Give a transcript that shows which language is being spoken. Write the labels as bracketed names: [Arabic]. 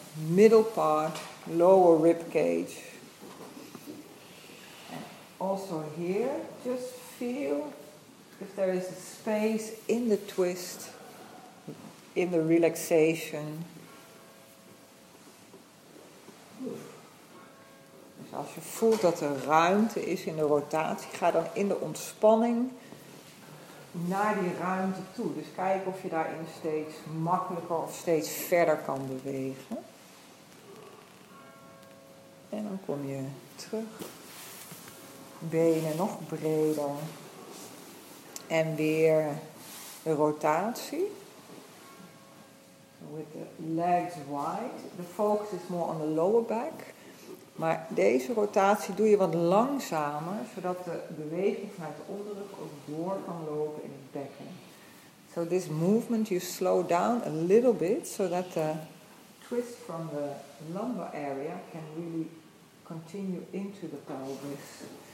[English] middle part, lower rib cage. And also here, just feel if there is a space in the twist, in the relaxation. [Dutch] Dus als je voelt dat er ruimte is in de rotatie, ga dan in de ontspanning naar die ruimte toe. Dus kijk of je daarin steeds makkelijker of steeds verder kan bewegen. En dan kom je terug. Benen nog breder. En weer de rotatie. [English] With the legs wide. The focus is more on the lower back. [Dutch] Maar deze rotatie doe je wat langzamer, zodat de beweging vanuit de onderrug ook door kan lopen in het bekken. [English] So this movement you slow down a little bit, so that the twist from the lumbar area can really continue into the pelvis.